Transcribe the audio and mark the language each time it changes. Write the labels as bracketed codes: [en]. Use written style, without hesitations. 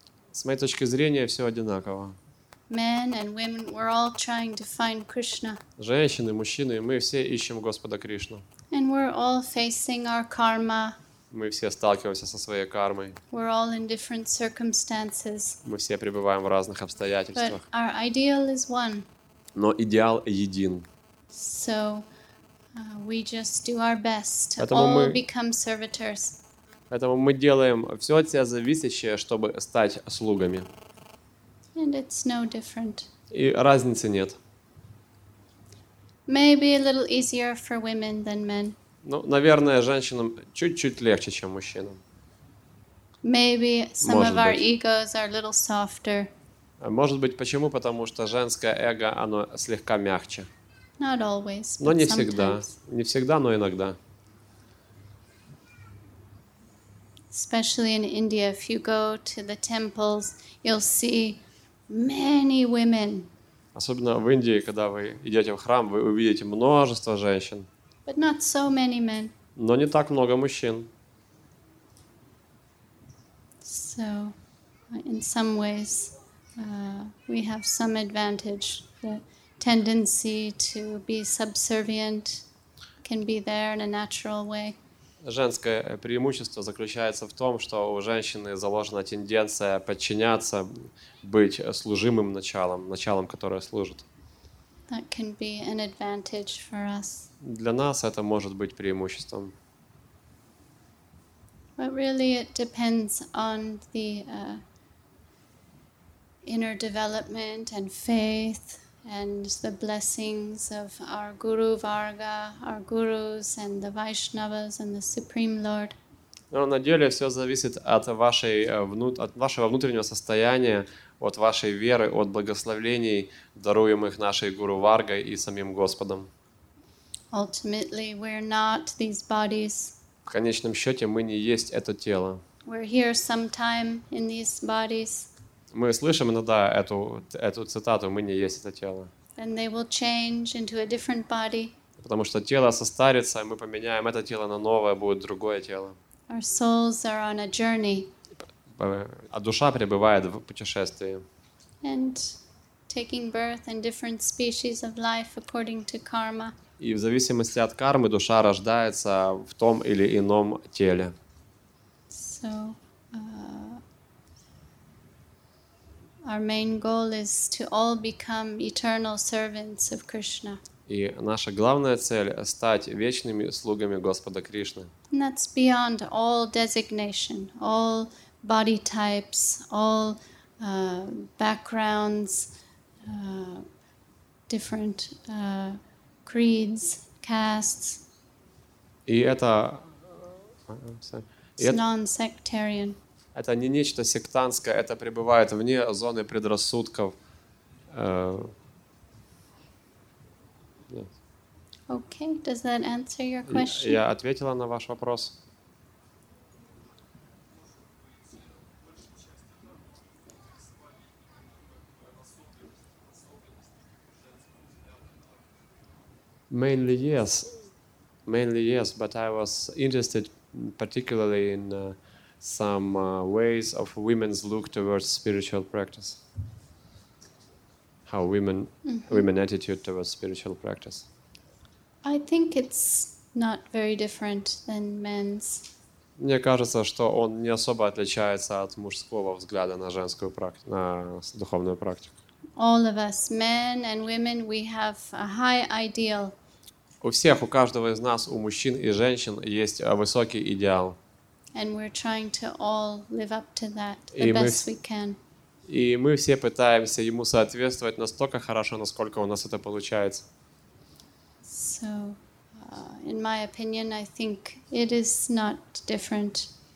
[ru] С моей точки зрения, все одинаково. [en] Men and women, we're all trying to find Krishna. [ru] Женщины, мужчины, мы все ищем Господа Кришну. [en] And we're all facing our karma. [ru] Мы все сталкиваемся со своей кармой. [en] We're all in different circumstances. [ru] Мы все пребываем в разных обстоятельствах. [en] But our ideal is one. [ru] Но идеал един. [en] So, we just do our best. All become servitors. [ru] Поэтому мы делаем все от себя зависящее, чтобы стать слугами. [en] And it's no different. [ru] И разницы нет. [en] Maybe a little easier for women than men. [ru] Ну, наверное, женщинам чуть-чуть легче, чем мужчинам. [en] Maybe some of our egos are a little softer. [ru] Может быть, почему? Потому что женское эго, оно слегка мягче. [en] Not always, [ru] но не всегда. [en] Sometimes. [ru] Не всегда, но иногда. [en] Especially in India, if you go to the temples, you'll see many women. [ru] Особенно в Индии, когда вы идете в храм, вы увидите множество женщин. [en] But not so many men. [ru] Но не так много мужчин. [en] So, in some ways, we have some advantage. The tendency to be subservient can be there in a natural way. [ru] Женское преимущество заключается в том, что у женщины заложена тенденция подчиняться, быть служимым началом, началом, которое служит. [en] That can be an advantage for us. [ru] Для нас это может быть преимуществом. [en] But really it depends on the inner development and faith. And the blessings of our Guru Varga, our Gurus, and the Vaishnavas, and the Supreme Lord. [ru] Но на деле все зависит от вашей от вашего внутреннего состояния, от вашей веры, от благословений, даруемых нашей Гуру Варгой и самим Господом. [en] Ultimately, we're not these bodies. [ru] В конечном счете, мы не есть это тело. [en] We're here sometime in these bodies. [ru] Мы слышим иногда эту цитату, мы не есть это тело. [en] And they will change into a different body. [ru] Потому что тело состарится, мы поменяем это тело на новое, будет другое тело. [en] Our souls are on a journey. [ru] А душа пребывает в путешествии. [en] And taking birth in different species of life according to karma. [ru] И в зависимости от кармы душа рождается в том или ином теле. [en] So, Our main goal is to all become eternal servants of Krishna. [ru] И наша главная цель — стать вечными слугами Господа Кришны. [en] And that's beyond all designation, all body types, all backgrounds, different creeds, castes. [ru] И это [en] non-sectarian. [ru] Это не нечто сектантское, это пребывает вне зоны предрассудков. [en] Okay, does that answer your question? [ru] Я ответила на ваш вопрос. [en] Mainly yes, but I was interested particularly in some ways of women's look towards spiritual practice. How women attitude towards spiritual practice. I think it's not very different than men's. [ru] Мне кажется, что он не особо отличается от мужского взгляда на женскую практику, на духовную практику. [en] All of us, men and women, we have a high ideal. [ru] У всех, у каждого из нас, у мужчин и женщин, есть высокий идеал. [en] And we're trying to all live up to that the best we can. [ru] И мы все пытаемся ему соответствовать настолько хорошо, насколько у нас это получается. [en] So, in my opinion, I think it is not different.